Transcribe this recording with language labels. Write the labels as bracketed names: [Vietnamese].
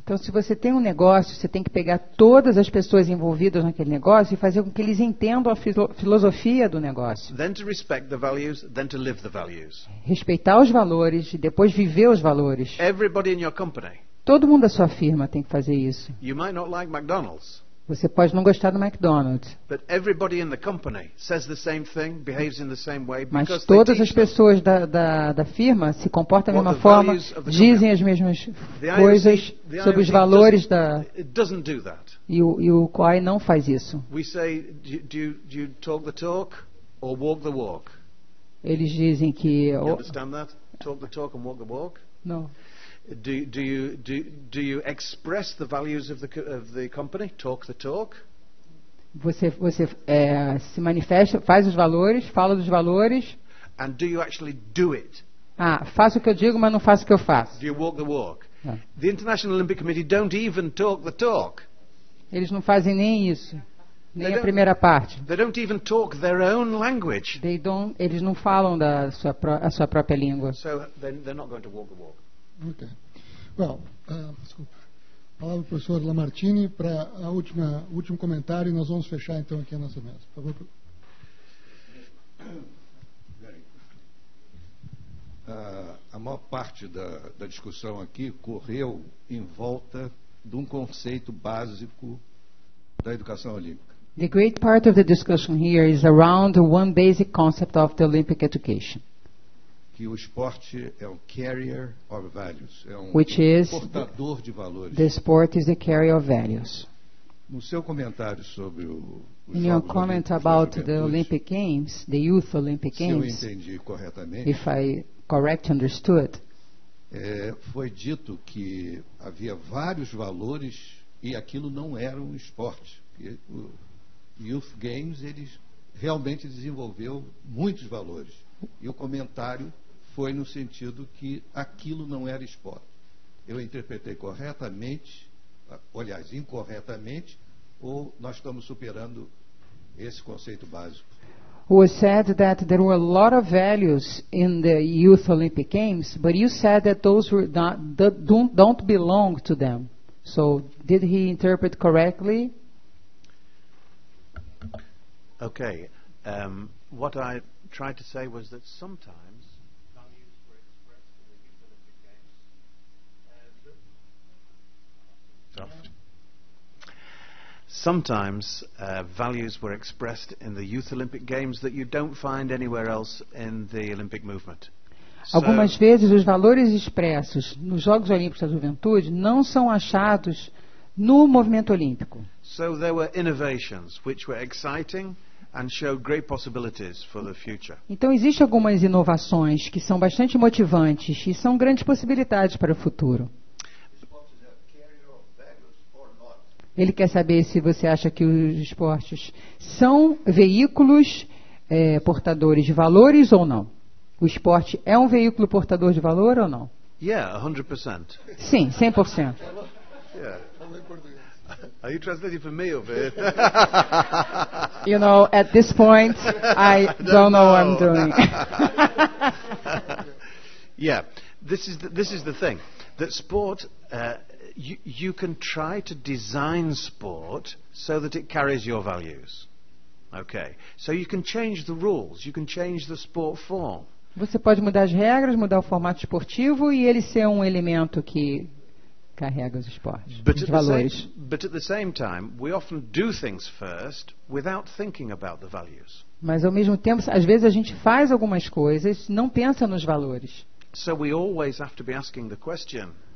[Portuguese] Então, se você tem um negócio, você tem que pegar todas as pessoas envolvidas naquele negócio e fazer com que eles entendam a filosofia do negócio. [English] Then to respect the values, then to live the values. [Portuguese] Respeitar os valores e depois viver os valores. [English] Everybody in your company. [Portuguese] Todo mundo da sua firma tem que fazer isso. [English] You might not like McDonald's. [Portuguese] Você pode não gostar do McDonald's. [English] But everybody in the company says the same thing, behaves in the same way. [Portuguese] Mas todas as pessoas da firma se comportam da mesma forma, dizem as mesmas coisas sobre os valores da. [English] It doesn't do that. [Portuguese] E o COI não faz isso. [English] We say, do you talk the talk or walk the walk? [Portuguese] Eles dizem que. [English] You understand that? Talk the talk and walk the walk? No. Do you express the values of the company? Talk the talk. [Portuguese] Você se manifesta, faz os valores, fala dos valores. [English] And do you actually do it? [Portuguese] Ah, faço o que eu digo, mas não faço o que eu faço. [English] Do you walk the walk? The International Olympic Committee don't even talk the talk. [Portuguese] Eles não fazem nem isso, nem a primeira parte. [English] They don't even talk their own language. [Portuguese] Eles não falam da sua a sua própria língua. [English] So they're not going to walk the walk. Okay. Well, [Portuguese] desculpa. Palavra do professor Lamartine para a último comentário e nós vamos fechar então aqui a nossa mesa. Por favor. A maior parte da discussão aqui correu em volta de um conceito básico da educação olímpica. [English] The great part of the discussion here is around one basic concept of the Olympic education. [Portuguese] Que o esporte é um [English] carrier of values, [Portuguese] é um [English] which is [Portuguese] portador de valores. [English] The sport is the carrier of values. [Portuguese] No seu comentário sobre [English] in your comment about the Olympic Games, the Youth Olympic Games, [Portuguese] se eu entendi corretamente, [English] if I correctly understood, [Portuguese] foi dito que havia vários valores e aquilo não era um esporte. O Youth Games eles realmente desenvolveu muitos valores. E o comentário foi no sentido que aquilo não era esporte. Eu interpretei corretamente, aliás, incorretamente, ou nós estamos superando esse conceito básico? [English] It was said that there were a lot of values in the Youth Olympic Games, but you said that those were not, that don't belong to them. So, did he interpret correctly? Okay. What I tried to say was that sometimes values were expressed in the Youth Olympic Games that you don't find anywhere else in the Olympic movement. Algumas vezes os valores expressos nos Jogos Olímpicos da Juventude não são achados no movimento olímpico. So there were innovations which were exciting and show great possibilities for the future. Então existe algumas inovações que são bastante motivantes e são grandes possibilidades para o futuro. [Portuguese] Ele quer saber se você acha que os esportes são veículos portadores de valores ou não. O esporte é um veículo portador de valor ou não? [English] Yeah, 100%. [Portuguese] Sim, 100%. [English] Yeah. Are you translating for me or for it? You know, at this point, I don't know what I'm doing. Yeah, this is the thing. That sport, you can try to design sport so that it carries your values. Okay, so you can change the rules, you can change the sport form. [Portuguese] Você pode mudar as regras, mudar o formato esportivo e ele ser um elemento que carrega os esportes, os valores. [English] But at the same time, we often do things first without thinking about the values. [Portuguese] Mas ao mesmo tempo, às vezes a gente faz algumas coisas, não pensa nos valores. [English] So we always have to be asking the question,